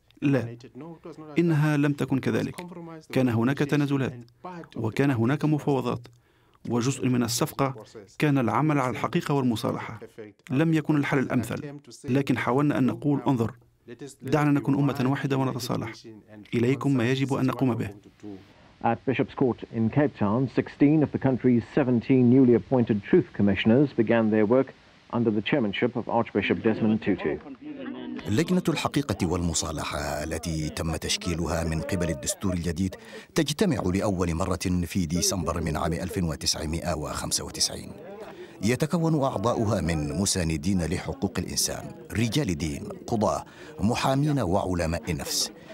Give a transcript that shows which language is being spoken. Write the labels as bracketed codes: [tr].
[ar] لا، إنها لم تكن كذلك. كان هناك تنازلات وكان هناك مفاوضات، وجزء من الصفقة كان العمل على الحقيقة والمصالحة. لم يكن الحل الأمثل، لكن حاولنا أن نقول انظر، دعنا نكون أمة واحدة ونتصالح، إليكم ما يجب أن نقوم به. [en] At Bishop's Court in Cape Town, 16 of the country's 17 newly appointed truth commissioners began their work under the chairmanship of Archbishop Desmond Tutu. [ar] لجنة الحقيقة والمصالحة التي تم تشكيلها من قبل الدستور الجديد تجتمع لأول مرة في ديسمبر من عام 1995. يتكون أعضاؤها من مساندين لحقوق الإنسان، رجال دين، قضاة، محامين وعلماء النفس.